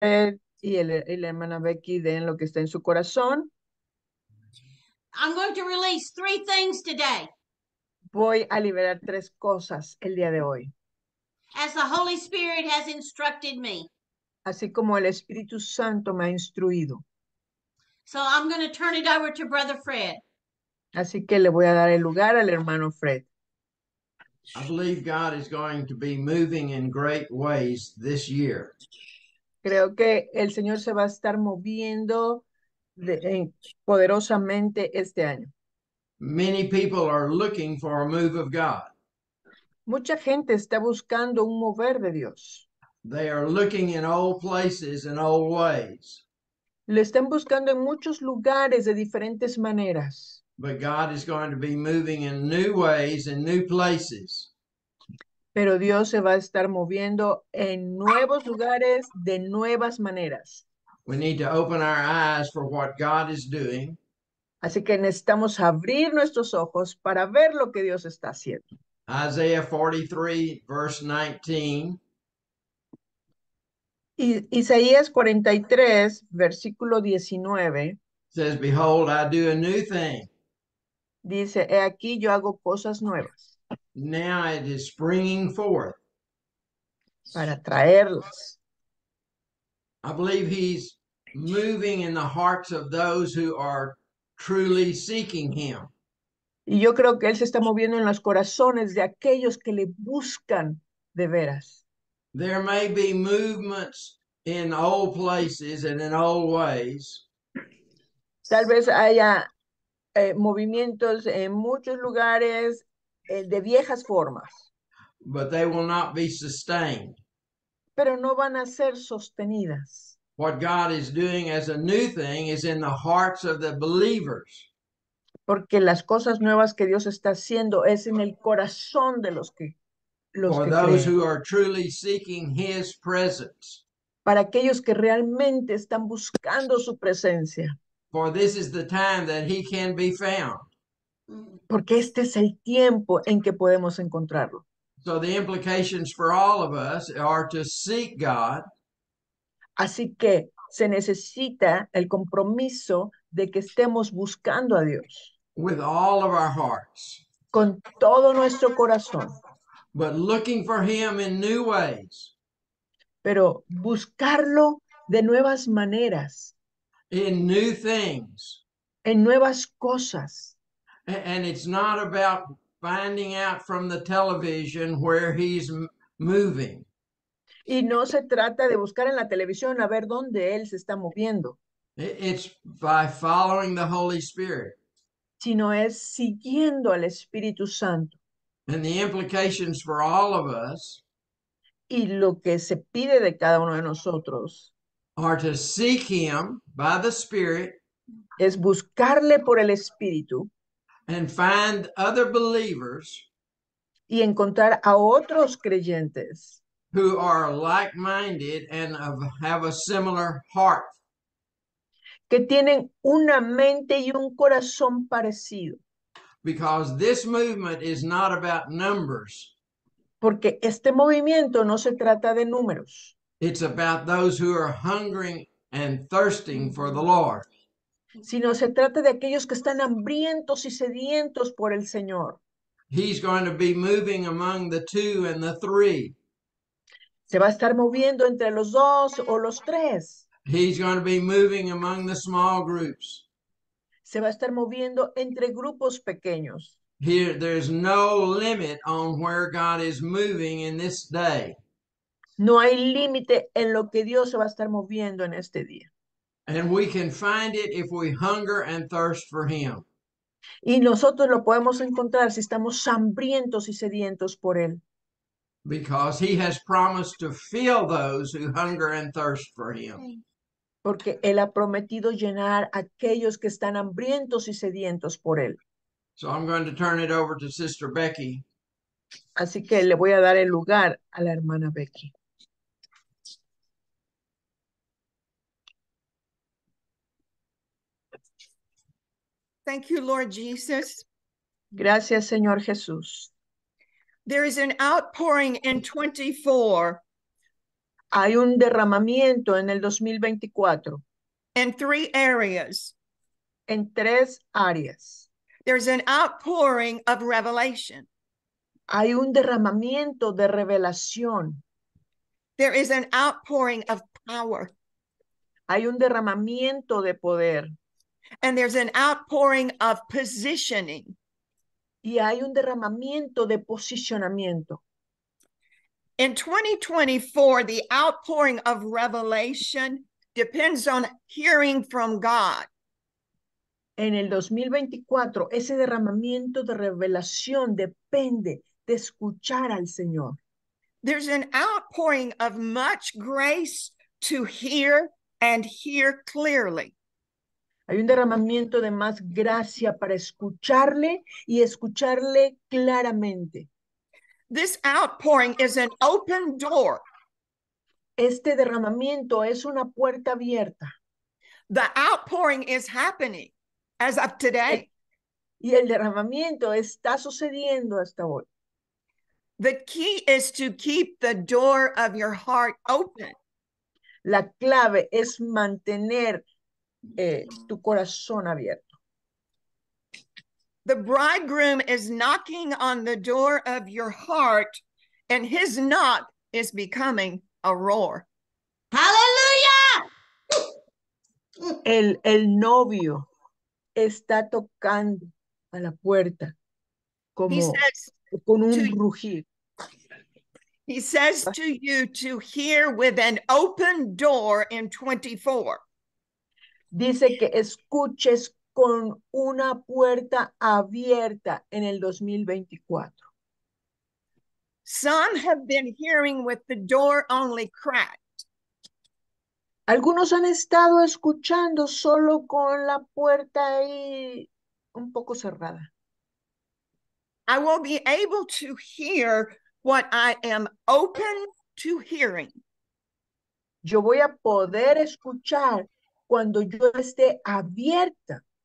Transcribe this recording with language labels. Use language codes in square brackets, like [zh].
[es] Él y la hermana Becky den lo que está en su corazón. [en] I'm going to release three things today. [es] Voy a liberar tres cosas el día de hoy. [en] As the Holy Spirit has instructed me. [es] Así como el Espíritu Santo me ha instruido. [en] So I'm going to turn it over to Brother Fred. [es] Así que le voy a dar el lugar al hermano Fred. [en] I believe God is going to be moving in great ways this year. [es] Creo que el Señor se va a estar moviendo poderosamente este año. [en] Many people are looking for a move of God. [es] Mucha gente está buscando un mover de Dios. [en] They are looking in old places and old ways. [es] Le están buscando en muchos lugares de diferentes maneras. [en] But God is going to be moving in new ways and new places. [es] Pero Dios se va a estar moviendo en nuevos lugares de nuevas maneras. [en] We need to open our eyes for what God is doing. [es] Así que necesitamos abrir nuestros ojos para ver lo que Dios está haciendo. [en] Isaiah 43, verse 19. [es] Isaías 43, versículo 19, [en] Says, Behold, I do a new thing. [es] dice, he aquí yo hago cosas nuevas [en] Now it is springing forth. [es] para traerlas. [en] I believe he's moving in the hearts of those who are truly seeking him. [es] Y yo creo que él se está moviendo en los corazones de aquellos que le buscan de veras. [en] There may be movements in old places and in old ways. [es] Tal vez haya movimientos en muchos lugares de viejas formas, [en] But they will not be sustained. [es] pero no van a ser sostenidas. [en] What God is doing as a new thing is in the hearts of the believers. [es] Porque las cosas nuevas que Dios está haciendo es en el corazón de los [en] For [es] que [en] those [es] creen. [en] who are truly seeking His presence. [es] Para aquellos que realmente están buscando su presencia. [en] For this is the time that He can be found. [es] Porque este es el tiempo en que podemos encontrarlo. [en] So the implications for all of us are to seek God. [es] Así que se necesita el compromiso de que estemos buscando a Dios [en] With all of our hearts. [es] con todo nuestro corazón, [en] But looking for him in new ways. [es] pero buscarlo de nuevas maneras, [en] In new things. [es] en nuevas cosas. [en] And it's not about finding out from the television where he's moving. [es] Y no se trata de buscar en la televisión a ver dónde él se está moviendo, [en] It's by following the Holy Spirit. [es] sino es siguiendo al Espíritu Santo. [en] And the implications for all of us [es] Y lo que se pide de cada uno de nosotros [en] are to seek him by the Spirit. [es] es buscarle por el Espíritu [en] And find other believers [es] y encontrar a otros creyentes [en] who are like-minded and have a similar heart. [es] que tienen una mente y un corazón parecido. [en] Because this movement is not about numbers. [es] Porque este movimiento no se trata de números, [en] It's about those who are hungering and thirsting for the Lord. [es] sino se trata de aquellos que están hambrientos y sedientos por el Señor. [en] He's going to be moving among the two and the three. [es] Se va a estar moviendo entre los dos o los tres. [en] He's going to be moving among the small groups. [es] Se va a estar moviendo entre grupos pequeños. [en] Here, there's no limit on where God is moving in this day. [es] No hay límite en lo que Dios se va a estar moviendo en este día. [en] And we can find it if we hunger and thirst for Him. [es] Y nosotros lo podemos encontrar si estamos hambrientos y sedientos por Él. [en] Because he has promised to fill those who hunger and thirst for him. [es] Porque Él ha prometido llenar a aquellos que están hambrientos y sedientos por Él. [en] So I'm going to turn it over to Sister Becky. [es] Así que le voy a dar el lugar a la hermana Becky. [en] Thank you, Lord Jesus. [es] Gracias, Señor Jesús. [en] There is an outpouring in 24 [es] Hay un derramamiento en el 2024. [en] In three areas. [es] En tres áreas. [en] There's an outpouring of revelation. [es] Hay un derramamiento de revelación. [en] There is an outpouring of power. [es] Hay un derramamiento de poder. [en] And there's an outpouring of positioning. [es] Y hay un derramamiento de posicionamiento. [en] In 2024, the outpouring of revelation depends on hearing from God. [es] En el 2024, ese derramamiento de revelación depende de escuchar al Señor. [en] There's an outpouring of much grace to hear and hear clearly. [es] Hay un derramamiento de más gracia para escucharle y escucharle claramente. [en] This outpouring is an open door. [es] Este derramamiento es una puerta abierta. [en] The outpouring is happening as of today. [es] Y el derramamiento está sucediendo hasta hoy. [en] The key is to keep the door of your heart open. [es] La clave es mantener tu corazón abierto. [en] The bridegroom is knocking on the door of your heart, and his knock is becoming a roar. Hallelujah! [es] El novio está tocando a la puerta como con un rugir. [en] He says to you to hear with an open door in 24. [es] Dice que escuches con una puerta abierta en el 2024. [en] Some have been hearing with the door only cracked. [es] Algunos han estado escuchando solo con la puerta ahí un poco cerrada. [en] I will be able to hear what I am open to hearing. [es] Yo voy a poder escuchar cuando yo esté abierta.